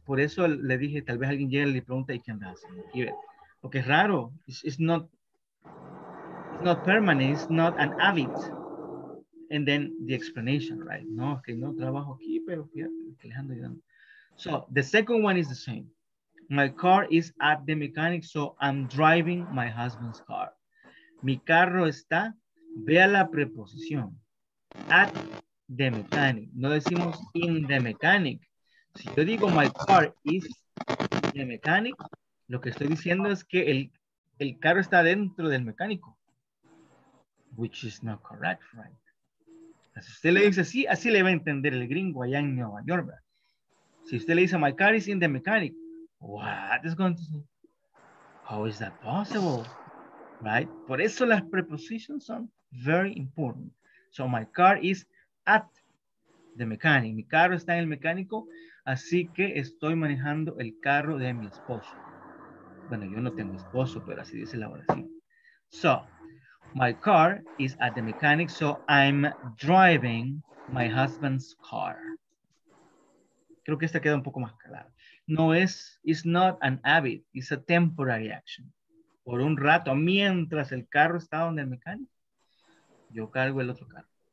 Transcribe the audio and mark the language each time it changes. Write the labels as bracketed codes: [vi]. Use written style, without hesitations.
[es] Por eso le dije, tal vez alguien llegue y le pregunta, ¿y qué andas? Porque es raro. [en] It's not permanent. It's not an habit. And then the explanation, right? [es] No, es que no trabajo aquí, pero que les ando ayudando. [en] So, the second one is the same. My car is at the mechanic, so I'm driving my husband's car. [es] Mi carro está, vea la preposición, [en] at the mechanic. [es] No decimos [en] in the mechanic. [es] Si yo digo [en] my car is the mechanic, [es] lo que estoy diciendo es que el carro está dentro del mecánico. [en] Which is not correct, right? [es] Si usted le dice así, así le va a entender el gringo allá en Nueva York. ¿Verdad? Si usted le dice [en] my car is in the mechanic, what is going to say? How is that possible? Right? [es] Por eso las [en] prepositions son very important. So my car is at the mechanic. [es] Mi carro está en el mecánico, así que estoy manejando el carro de mi esposo. Bueno, yo no tengo esposo, pero así dice la oración. [en] So, my car is at the mechanic, so I'm driving my husband's car. [es] Creo que esta queda un poco más clara. No es, [en] it's not an habit, it's a temporary action. [es] Por un rato, mientras el carro está donde el mecánico, yo cargo el otro carro.